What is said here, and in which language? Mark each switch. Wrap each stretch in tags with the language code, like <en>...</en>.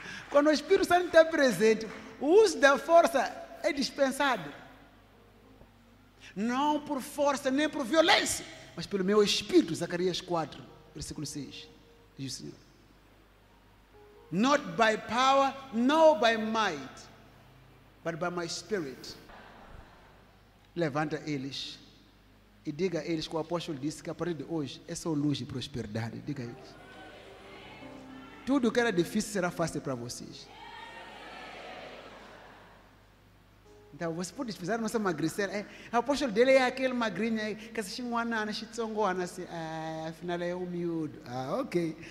<pt>Quando o Espírito Santo está presente, o uso da força é dispensado. Não por força, nem por violência, mas pelo meu Espírito, Zacarias 4, versículo 6. Diz o Senhor.</pt> <en>Not by power, nor by might, but by my Spirit.</en> <pt>Levanta eles e diga a eles que o apóstolo disse que a partir de hoje é só luz e prosperidade. Diga a eles. Tudo que era difícil será fácil para vocês. Então você pode dizer, não sei, magricela. É, o apóstolo dele é aquele magrinho aí, que se chama Anana, Chitsongo, Anana, afinal é o miúdo. Ah, ok.</pt>